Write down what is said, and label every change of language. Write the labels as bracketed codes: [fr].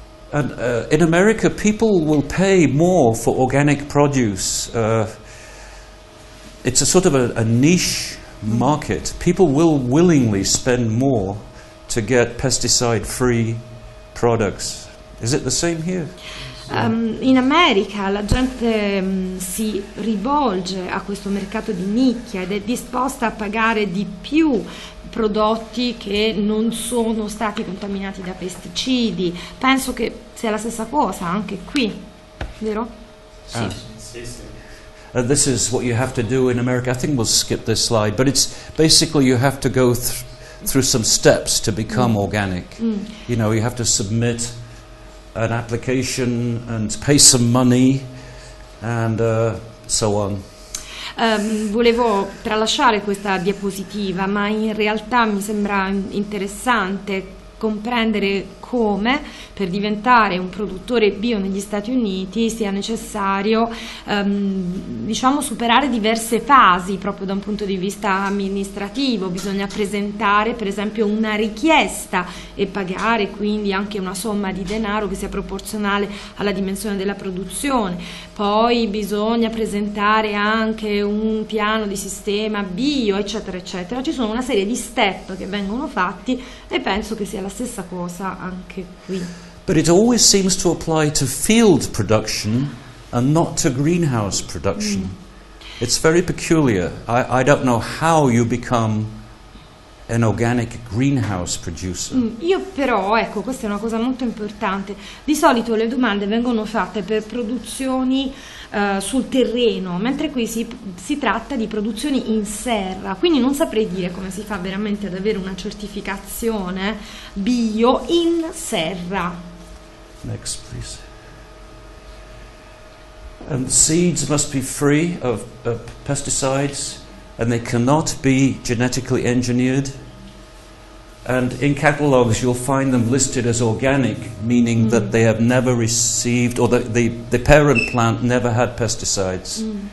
[en] And in America, people will pay more for organic produce. It's a sort of a niche market. People will willingly spend more to get pesticide-free products. Is it the same here? [it] In America la gente si rivolge a questo mercato di nicchia ed è disposta a pagare di più prodotti che non sono stati contaminati da pesticidi. Penso che sia la stessa cosa anche qui, vero? Sì. [en] This is what you have to do in America. I think we'll skip this slide, but it's basically you have to go through some steps to become organic. You know, you have to submit an application and pay some money and so on. [it] Volevo tralasciare questa diapositiva, ma in realtà mi sembra interessante comprendere come per diventare un produttore bio negli Stati Uniti sia necessario diciamo superare diverse fasi proprio da un punto di vista amministrativo. Bisogna presentare per esempio una richiesta e pagare quindi anche una somma di denaro che sia proporzionale alla dimensione della produzione. Poi bisogna presentare anche un piano di sistema bio, eccetera eccetera. Ci sono una serie di step che vengono fatti e penso che sia la stessa cosa anche. [en] But it always seems to apply to field production and not to greenhouse production. It's very peculiar. I don't know how you become an organic greenhouse producer. [it] Io però, ecco, questa è una cosa molto importante. Di solito le domande vengono fatte per produzioni sul terreno, mentre qui si tratta di produzioni in serra, quindi non saprei dire come si fa veramente ad avere una certificazione bio in serra. [en] Next, please. And seeds must be free of pesticides and they cannot be genetically engineered. And in catalogues you'll find them listed as organic, meaning that they have never received, or the parent plant never had pesticides.